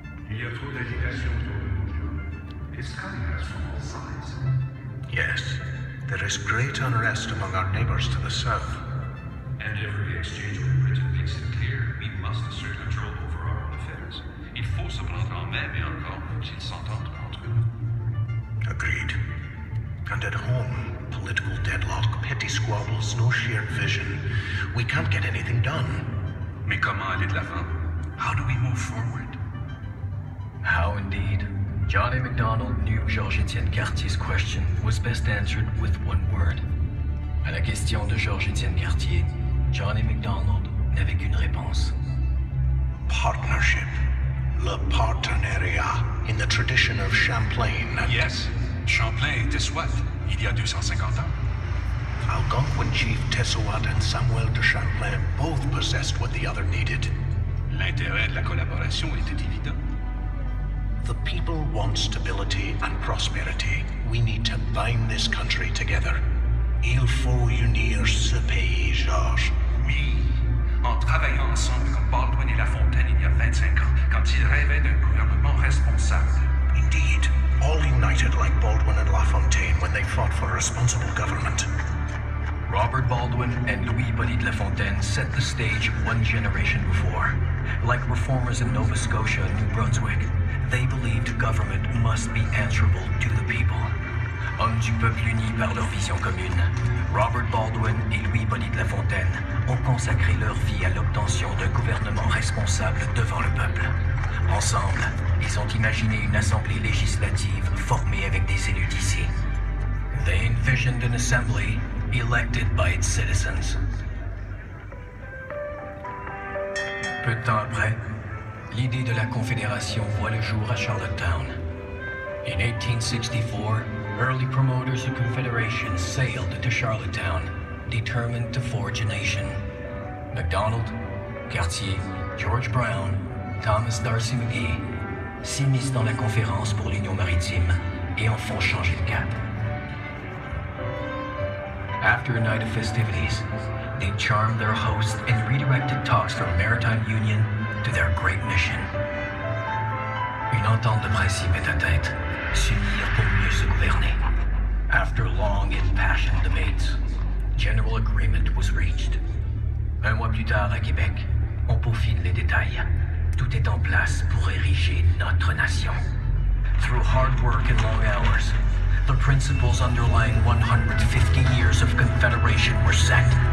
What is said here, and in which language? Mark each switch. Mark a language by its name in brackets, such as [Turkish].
[French] Il y a trop d'agitation autour de nous. [English] It's coming us from all sides. Yes, there is great unrest among our neighbors to the south. And every exchange with Britain makes it clear we must assert control over our own affairs. [French] Il faut se prendre en main, mais encore, s'ils s'entendent entre eux. [English] Agreed. And at home, political deadlock, petty squabbles, no shared vision. We can't get anything done. [French] Mais comment aller de l'avant? [English] How do we move forward? How indeed? Johnny MacDonald knew Georges-Étienne Cartier's question was best answered with one word. [French] À la question de Georges-Étienne Cartier, Johnny MacDonald n'avait qu'une réponse. [English] Partnership. [French] Le partenariat. [English] In the tradition of Champlain. [French] Yes. Champlain était soif, il y a 250 ans. [English] Algonquin chief Tessouat and Samuel de Champlain both possessed what the other needed. [French] L'intérêt de la collaboration était évident. [English] The people want stability and prosperity. We need to bind this country together. [French] Il faut unir ce pays, Georges. Oui, en travaillant ensemble comme Baldwin et La Fontaine il y a 25 ans, quand ils rêvaient d'un gouvernement responsable. [English] Indeed, all united like Baldwin and La Fontaine when they fought for a responsible government. Robert Baldwin and Louis-Polyte Lafontaine set the stage one generation before. Like reformers in Nova Scotia and New Brunswick, they believed government must be answerable to the people. [French] Hommes du peuple unis par leur vision commune, Robert Baldwin et Louis-Polyte Lafontaine ont consacré leur vie à l'obtention d'un gouvernement responsable devant le peuple. Ensemble, ils ont imaginé une assemblée législative formée avec des élus d'ici. [English] They envisioned an assembly elected by its citizens. [French] Peu de temps après, l'idée de la Confédération voit le jour à Charlottetown. [English] In 1864, early promoters of Confederation sailed to Charlottetown, determined to forge a nation. [French] MacDonald, Cartier, George Brown, Thomas Darcy McGee s'immiscent dans la conférence pour l'Union maritime et en font changer le cap. [English] After a night of festivities, they charmed their host and redirected talks from Maritime Union to their great mission. [French] Une entente de principe est atteinte. S'unir pour mieux se gouverner. [English] After long and passionate debates, general agreement was reached. [French] Un mois plus tard, à Québec, on peaufine les détails. Tout est en place pour ériger notre nation. [English] Through hard work and long hours, the principles underlying 150 years of Confederation were set.